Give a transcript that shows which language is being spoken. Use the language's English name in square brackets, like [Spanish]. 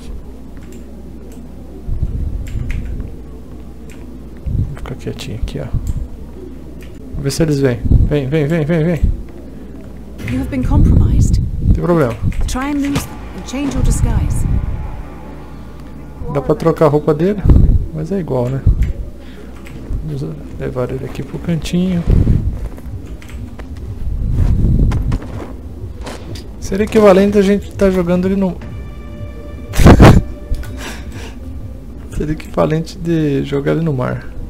[Portuguese] Vou ficar quietinho aqui, ó. Vamos ver se eles vêm. Vem. [English] You have been compromised. [Portuguese] Não tem problema. [English] Try and lose and change your disguise. [Portuguese] Dá pra trocar a roupa dele? Mas é igual, né? Vamos levar ele aqui pro cantinho. Seria equivalente a gente estar jogando ele no. Seria equivalente de jogar ele no mar.